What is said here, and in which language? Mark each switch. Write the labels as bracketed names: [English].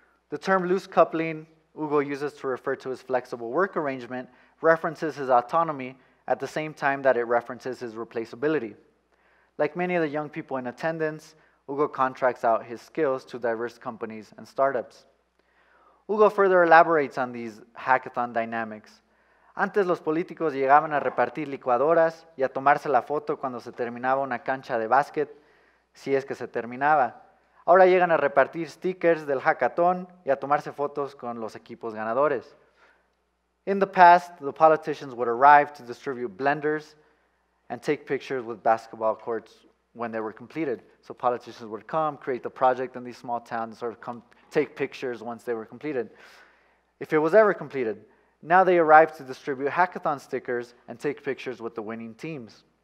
[English] The term loose coupling Hugo uses to refer to his flexible work arrangement references his autonomy at the same time that it references his replaceability. Like many of the young people in attendance, Hugo contracts out his skills to diverse companies and startups. Hugo further elaborates on these hackathon dynamics. [Spanish] Antes los políticos llegaban a repartir licuadoras y a tomarse la foto cuando se terminaba una cancha de básquet, si es que se terminaba. Ahora llegan a repartir stickers del hackathon y a tomarse fotos con los equipos ganadores. [English] In the past, the politicians would arrive to distribute blenders and take pictures with basketball courts when they were completed. So politicians would come, create the project in these small towns, and sort of come take pictures once they were completed. If it was ever completed. Now they arrive to distribute hackathon stickers and take pictures with the winning teams.